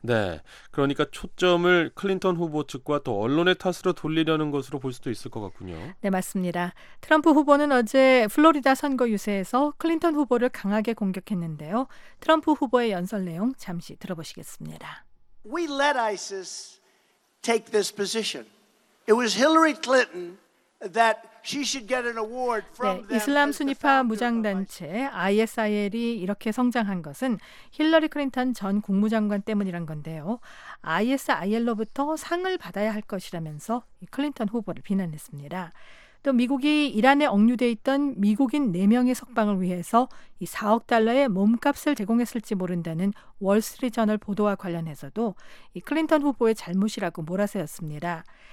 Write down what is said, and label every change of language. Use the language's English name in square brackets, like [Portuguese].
[Korean] 네, 그러니까 초점을 클린턴 후보 측과 또 언론의 탓으로 돌리려는 것으로 볼 수도 있을 것 같군요. 네, 맞습니다. 트럼프 후보는 어제 플로리다 선거 유세에서 클린턴 후보를 강하게 공격했는데요. 트럼프 후보의 연설 내용 잠시 들어보시겠습니다. [English] We let ISIS take this position. It was Hillary Clinton that she should get an award from them. [Korean] 네, 이슬람 순위파 무장단체 ISIL이 이렇게 성장한 것은 힐러리 클린턴 전 국무장관 때문이란 건데요. ISIL로부터 상을 받아야 할 것이라면서 클린턴 후보를 비난했습니다. 또 미국이 이란에 억류돼 있던 미국인 4명의 석방을 위해서 이 4억 달러의 몸값을 제공했을지 모른다는 월스트리트저널 보도와 관련해서도 이 클린턴 후보의 잘못이라고 몰아세웠습니다.